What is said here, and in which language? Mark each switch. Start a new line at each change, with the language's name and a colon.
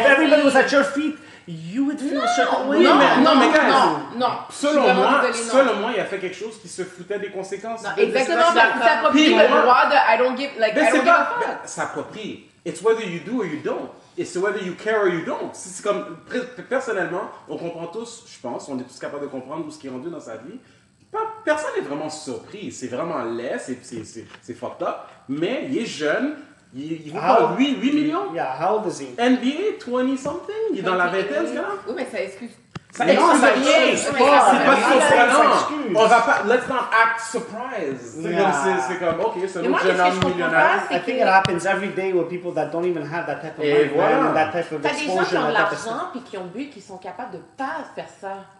English: If everybody was at your feet, you would feel a certain way. No.
French: Selon moi, il a fait quelque chose qui se foutait des conséquences. Non, exactement, parce que ça approprie le droit de «
English: I don't give a fuck ».
French: Ça approprie.
English: It's whether you do or you don't. It's whether you care or you don't.
French: C'est comme, personnellement, on comprend tous, je pense, on est tous capables de comprendre ce qui est rendu dans sa vie. Pas personne n'est vraiment surpris. C'est vraiment laid, c'est fucked up. Mais il est jeune. Il vaut pas 8 millions.
English: Yeah, how old is he? NBA, 20-something?
French: Il est dans la vingtaine, ce gars-là? Oui, mais ça excuse.
English: Let's not act surprised. I think it happens every day with people that don't even have that type of money and that type of exposure.
French: T'as des gens qui ont l'argent et qui ont bu qui sont capables de pas faire ça.